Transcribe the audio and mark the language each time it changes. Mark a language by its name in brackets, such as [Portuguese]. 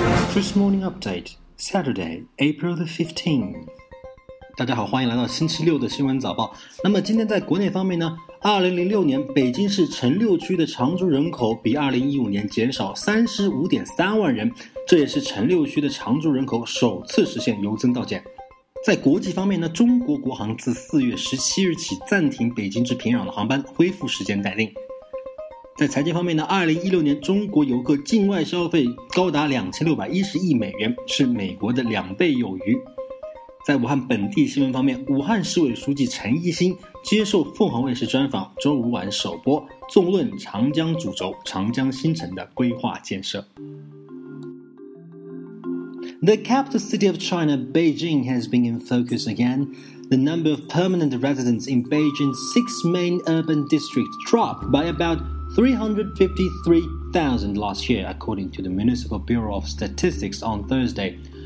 [English] Chris Morning Update, Saturday, April the 15th. [Chinese] 大家好，欢迎来到星期六的新闻早报。那么今天在国内方面呢，2006年北京市城六区的常住人口比2015年减少 35.3 万人，这也是城六区的常住人口首次实现由增到减。在国际方面呢，中国国航自4月17日起暂停北京至平壤的航班，恢复时间待定。在财经方面呢，2016年中国游客境外消费高达2610亿美元，是美国的两倍有余。在武汉本地新闻方面，武汉市委书记陈一新接受凤凰卫视专访，周五晚首播，纵论长江主轴、长江新城的规划建设。 [English] The capital city of China, Beijing, has been in focus again. The number of permanent residents in Beijing's six main urban districts dropped by about 353,000 last year, according to the Municipal Bureau of Statistics on Thursday.